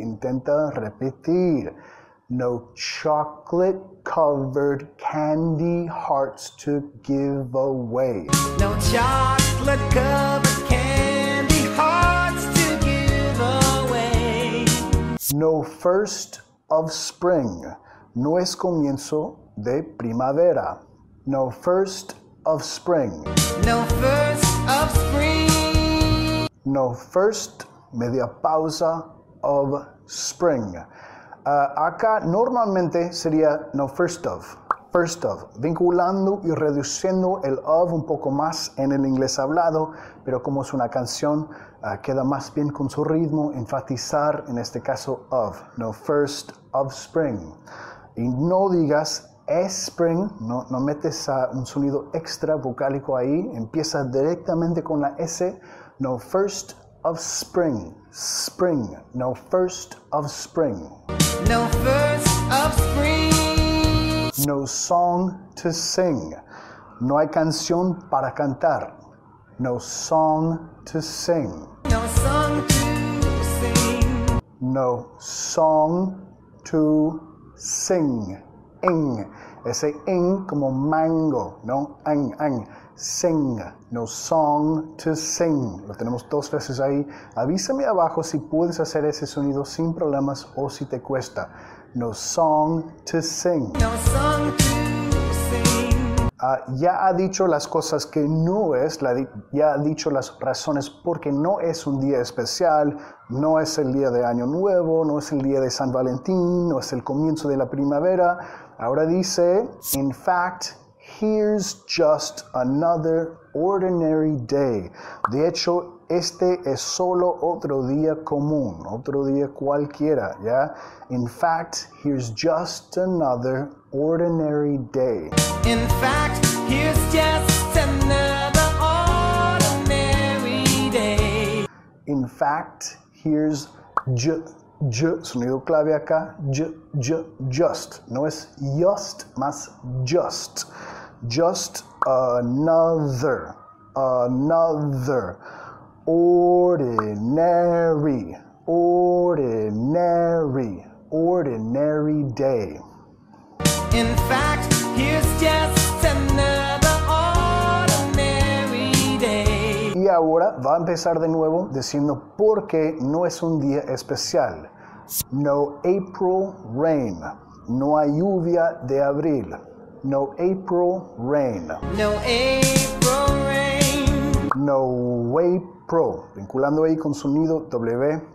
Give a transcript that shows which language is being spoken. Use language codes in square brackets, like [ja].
[es] Intenta repetir. [en] No chocolate-covered candy hearts to give away. No chocolate-covered candy hearts to give away. No first of spring. [es] No es comienzo de primavera. [en] No first of spring. No first of spring. No first, [es] media pausa, [en] of spring. [es] Acá normalmente sería [en] no first of, [es] vinculando y reduciendo el of un poco más en el inglés hablado, pero como es una canción, queda más bien con su ritmo, enfatizar en este caso of, [en] no first of spring. [es] Y no digas es spring, no metes un sonido extra vocálico ahí, empieza directamente con la S. [en] No first of spring, spring, no first of spring. No first of spring. No song to sing, [es] no hay canción para cantar. [en] No song to sing. No song to sing. No, song to sing. Ing. [es] Ese ing como mango, no ang, ang. [en] Sing, no song to sing. [es] Lo tenemos dos veces ahí. Avísame abajo si puedes hacer ese sonido sin problemas o si te cuesta. [en] No song to sing. No song to sing. [es] Ya ha dicho las cosas que no es, ya ha dicho las razones porque no es un día especial, no es el día de Año Nuevo, no es el día de San Valentín, no es el comienzo de la primavera. Ahora dice, [en] in fact, here's just another ordinary day. [es] De hecho, este es solo otro día común, otro día cualquiera, ¿ya? [en] In fact, here's just another ordinary day. In fact, here's just another ordinary day. In fact, here's j, [es] sonido clave acá, [en] just. [es] No es just, más just. [en] Just another, another, ordinary, ordinary, ordinary day. In fact, here's just another ordinary day. [es] Y ahora va a empezar de nuevo diciendo por qué no es un día especial. [en] No April rain, [es] no hay lluvia de abril. [en] No April rain. No April rain. No April, [es] vinculando ahí con sonido W.